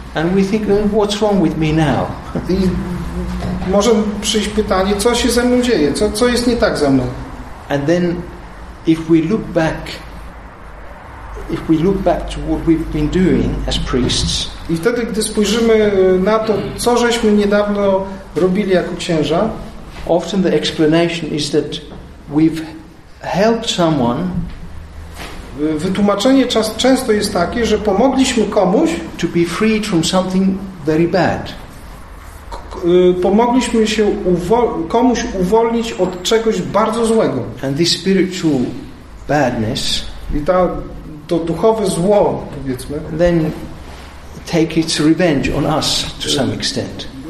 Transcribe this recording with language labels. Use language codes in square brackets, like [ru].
[en] And we think, what's wrong with me now? [pl] I może przyjść pytanie, co się ze mną dzieje? Co jest nie tak ze mną? [en] And then if we look back, if we look back to what we've been doing as priests, [pl] i wtedy, gdy spojrzymy na to, co żeśmy niedawno robili jako księża, [en] often the explanation is that we've helped someone. [pl] Wytłumaczenie często jest takie, że pomogliśmy komuś [en] to be freed from something very bad. [pl] Pomogliśmy się komuś uwolnić od czegoś bardzo złego. [en] And this spiritual badness. [pl] I to duchowe zło, powiedzmy. [en] Then take its revenge on us to some extent.